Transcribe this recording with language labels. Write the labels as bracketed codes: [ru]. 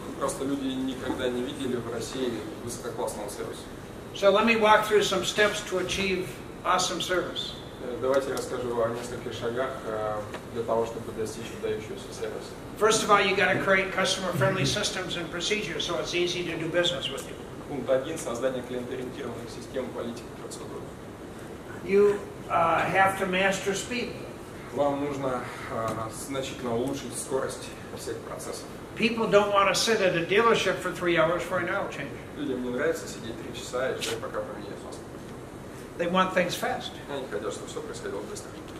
[ru] Просто люди никогда не видели в России высококлассного сервиса. [en] So let me walk through some steps to achieve awesome service. [ru] Давайте я расскажу о нескольких шагах для того, чтобы достичь выдающегося сервиса. [en] First of all, you got to create customer-friendly systems and procedures so it's easy to do business with you. [ru] Пункт один, создание клиент-ориентированных систем, политик, процедур. [en] You have to master speed. [ru] Вам нужно значительно улучшить скорость всех процессов. [en] People don't want to sit at a dealership for 3 hours for an oil change. [ru] Людям не нравится сидеть 3 часа и ждать, пока поменяют вас. [en] They want things fast. [ru] Они хотят, чтобы все происходило быстро.